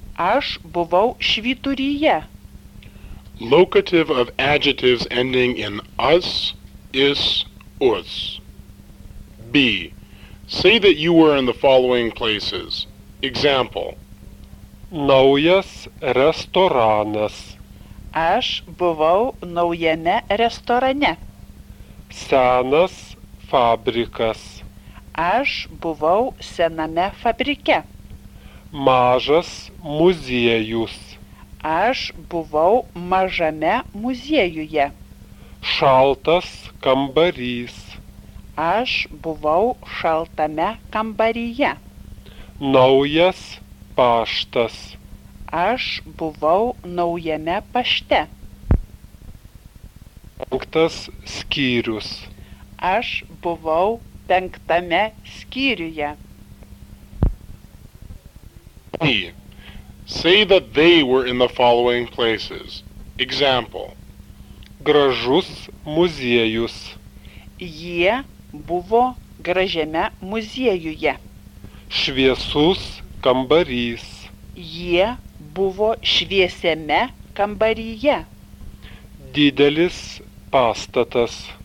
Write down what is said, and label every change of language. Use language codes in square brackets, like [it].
[lt] Aš buvau švyturyje. [en] Locative of adjectives ending in us is us. B. Say that you were in the following places. Example. [lt] Naujas restoranas. Aš buvau naujame restorane. Senas fabrikas. Aš buvau sename fabrike. Mažas muziejus. Aš buvau mažame muziejuje. Šaltas kambarys. Aš buvau šaltame kambaryje. Naujas paštas. Aš buvau naujame pašte. Penktas skyrius. Aš buvau penktame skyriuje. [en] Say that they were in the following places. Example. [lt] Gražus muziejus. Jie buvo gražiame muziejuje. Šviesus kambarys. Jie buvo šviesiame kambaryje. Didelis pastatas.